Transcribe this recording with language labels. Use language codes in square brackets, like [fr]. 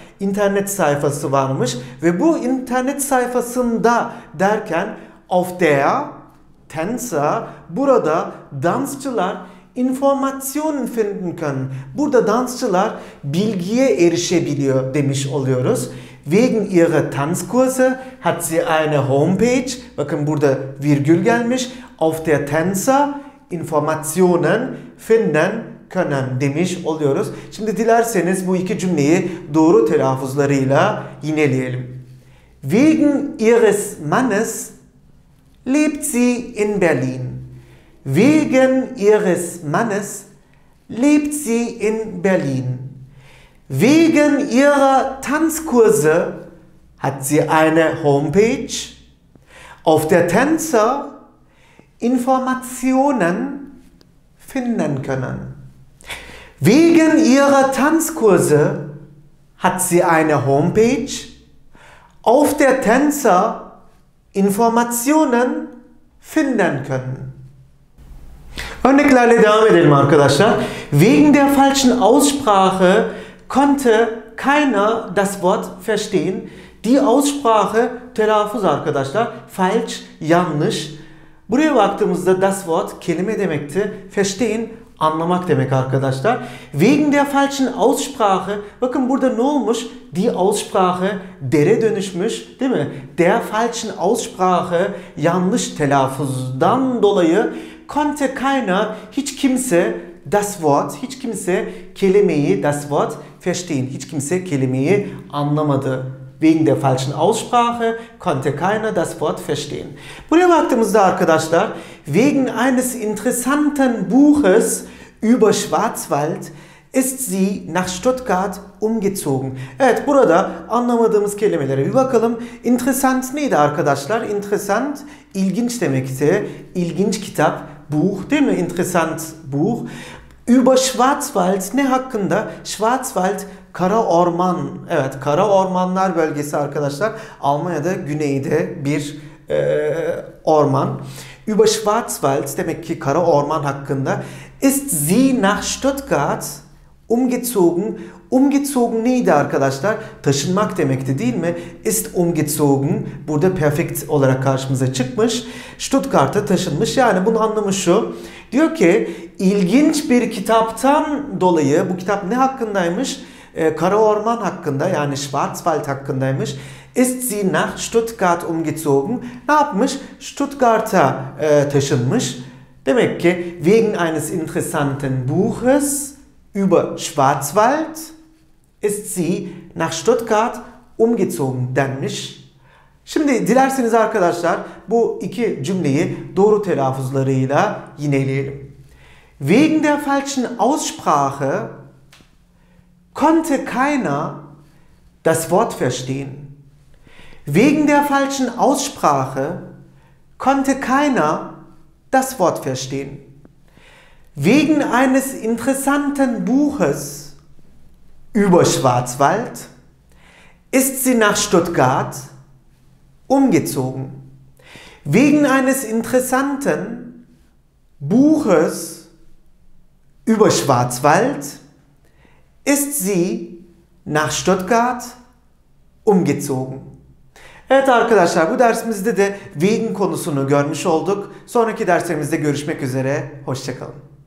[tr] İnternet sayfası varmış ve bu internet sayfasında derken [de] auf der Tänzer, [tr] burada dansçılar [de] Informationen finden können. [tr] Burada dansçılar bilgiye erişebiliyor demiş oluyoruz. [de] Wegen ihrer Tanzkurse hat sie eine Homepage. [tr] Bakın burada virgül gelmiş. [de] Auf der Tänzer Informationen finden können [tr] demiş oluyoruz. Şimdi dilerseniz bu iki cümleyi doğru telaffuzlarıyla yineleyelim. [de] Wegen ihres Mannes lebt sie in Berlin. Wegen ihres Mannes lebt sie in Berlin. Wegen ihrer Tanzkurse hat sie eine Homepage. Auf der Tänzer Informationen finden können. Wegen ihrer Tanzkurse hat sie eine Homepage. Auf der Tänzer Informationen finden können. [tr] Örneklerle devam edelim arkadaşlar. [de] Wegen der falschen Aussprache konnte keiner das Wort verstehen. Die Aussprache, [tr] telaffuz arkadaşlar, [de] falsch, [tr] yanlış. Buraya baktığımızda [de] das Wort [tr] kelime demekti. Verstehen, anlamak demek arkadaşlar. [de] Wegen der falschen Aussprache, [tr] bakın burada ne olmuş? [de] Die Aussprache, [tr] dere dönüşmüş, değil mi? [de] Der falschen Aussprache, [tr] yanlış telaffuzdan dolayı [de] konnte keiner, [tr] hiç kimse [de] das Wort, [tr] hiç kimse kelimeyi, [de] das Wort verstehen, [tr] hiç kimse kelimeyi anlamadı. [de] Wegen der falschen Aussprache konnte keiner das Wort verstehen. Buraya baktığımızda arkadaşlar, wegen eines interessanten Buches über Schwarzwald ist sie nach Stuttgart umgezogen. [tr] Evet, burada anlamadığımız kelimelere bir bakalım. Interessant neydi arkadaşlar? Interessant, ilginç demekti. İlginç kitap, Buch, değil mi? [de] Interessant Buch. Über Schwarzwald [tr] ne hakkında? Schwarzwald, kara orman. Evet, kara ormanlar bölgesi arkadaşlar. Almanya'da güneyde bir orman. [de] Über Schwarzwald, [tr] demek ki kara orman hakkında. [de] Ist sie nach Stuttgart umgezogen. [tr] Umgezogen neydi arkadaşlar? Taşınmak demekti, değil mi? [de] Ist umgezogen. [tr] Burada perfekt olarak karşımıza çıkmış. Stuttgart'a taşınmış. Yani bunun anlamı şu. Diyor ki, ilginç bir kitaptan dolayı, bu kitap ne hakkındaymış? Kara orman hakkında, yani Schwarzwald hakkındaymış. [de] Ist sie nach Stuttgart umgezogen. [tr] Ne yapmış? Stuttgart'a taşınmış. Demek ki [de] wegen eines interessanten Buches über Schwarzwald ist sie nach Stuttgart umgezogen [tr] denmiş. Şimdi dilerseniz arkadaşlar bu iki cümleyi doğru telaffuzlarıyla yineleyelim. [de] Wegen der falschen Aussprache konnte keiner das Wort verstehen. Wegen der falschen Aussprache konnte keiner das Wort verstehen. Wegen eines interessanten Buches über Schwarzwald ist sie nach Stuttgart umgezogen. Wegen eines interessanten Buches über Schwarzwald ist sie nach Stuttgart umgezogen. [tr] Evet arkadaşlar, bu dersimizde de wegen konusunu görmüş olduk. Sonraki derslerimizde görüşmek üzere. Hoşça kalın.